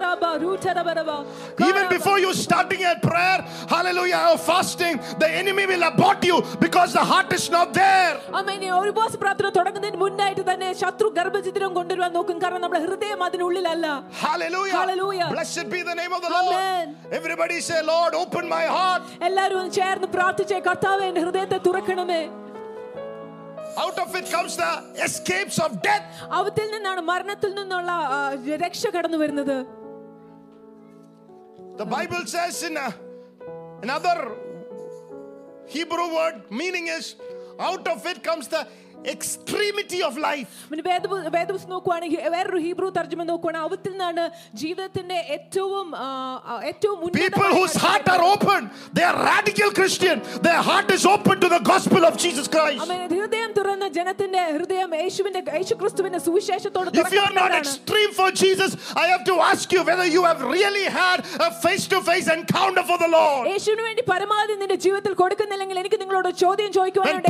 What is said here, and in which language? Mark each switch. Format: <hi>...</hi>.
<en>Even before you starting a prayer, hallelujah, or fasting, the enemy will abort you because the heart is not there. Amen.</en> <ml>ഒരു boss പ്രാർത്ഥന തുടങ്ങുന്നതിന് മുന്നായിട്ട് തന്നെ ശത്രു ഗർഭച്ഛിദ്രം കൊണ്ടുവരാൻ നോക്കും, കാരണം നമ്മുടെ ഹൃദയം അതിനുള്ളിലല്ല.</ml> <en>Hallelujah. Hallelujah. Blessed be the name of the Lord. Amen. Everybody say, Lord, open my heart.</en> <ml>എല്ലാവരും ചേർന്ന് പ്രാർത്ഥിച്ചേ, കർത്താവേ എന്റെ ഹൃദയത്തെ തുറക്കണമേ.</ml> <en>Out of it comes the escapes of death.</en> <ml>അവത്തിൽ നിന്നാണ് മരണത്തിൽ നിന്നുള്ള രക്ഷ കടന്നു വരുന്നത്.</ml> <en>The Bible says in another Hebrew word meaning is out of it comes the extremity of life.</en> <ml>ഇനി വേദപുസ്തകം നോക്കുകയാണെങ്കിൽ വേറൊരു ഹീബ്രൂ തർജ്ജമ നോക്കുകയാണെങ്കിൽ അവത്തിൽ നിന്നാണ് ജീവിതത്തിന്റെ ഏറ്റവും ഉന്നത.</ml> <en>People whose heart are open, they are radical Christian, their heart is open to the gospel of Jesus Christ.</en> <ml>അമേൻ. ഹൃദയം തുറന്ന ജനത്തിന്റെ ഹൃദയം യേശുവിന്റെ യേശുക്രിസ്തുവിന്റെ സുവിശേഷത്തോട് തുറക്കുകയാണ്.</ml> <en>If you are not extreme for Jesus, I have to ask you whether you have really had a face to face encounter for the Lord.</en> <ml>യേശുവിനു വേണ്ടി പരമാവധി നിന്റെ ജീവിതത്തിൽ കൊടുക്കുന്നില്ലെങ്കിൽ എനിക്ക് നിങ്ങളോട് ചോദ്യം ചോദിക്കുവാനുണ്ട്.</ml>